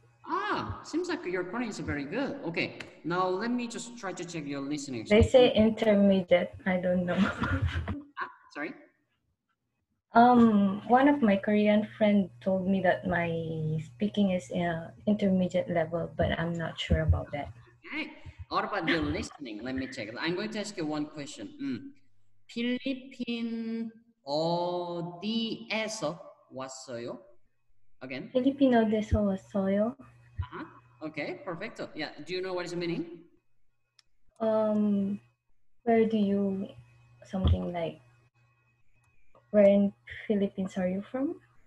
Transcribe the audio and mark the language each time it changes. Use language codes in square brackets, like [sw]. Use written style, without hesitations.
[en] Ah, seems like your Korean is very good. Okay, now let me just try to check your listening. They say intermediate. I don't know. Ah, sorry? One of my Korean friends told me that my speaking is intermediate level, but I'm not sure about that. Okay, what about the listening? Let me check. I'm going to ask you one question. [ko] 필리핀 어디에서 왔어요? [en] Again? [ko] 필리핀 어디서 왔어요? [en] Uh-huh. Okay, perfecto. Yeah, do you know what is the meaning? Where do you, something like, where in Philippines are you from?